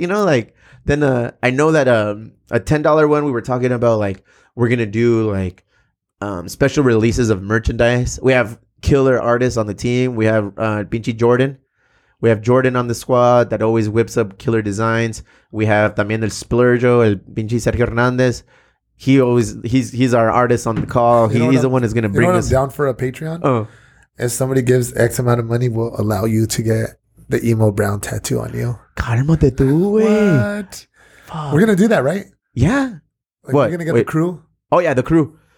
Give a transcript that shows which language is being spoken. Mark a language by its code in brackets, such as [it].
[en] You know, like, then I know that a $10 one, we were talking about like, we're going to do like special releases of merchandise. We have killer artists on the team. We have Pinchy Jordan. We have Jordan on the squad that always whips up killer designs. We have [es] también el [en] Splurjo, el Pinchy Sergio Hernandez. He's our artist on the call. He's the one that's going to bring us down for a Patreon. Oh. If somebody gives X amount of money, we'll allow you to get the emo brown tattoo on you. [es] Cálmate tú, güey. [en] What? Fuck. We're going to do that, right? Yeah. Like, what? We're going to get the crew. Oh, yeah, the crew.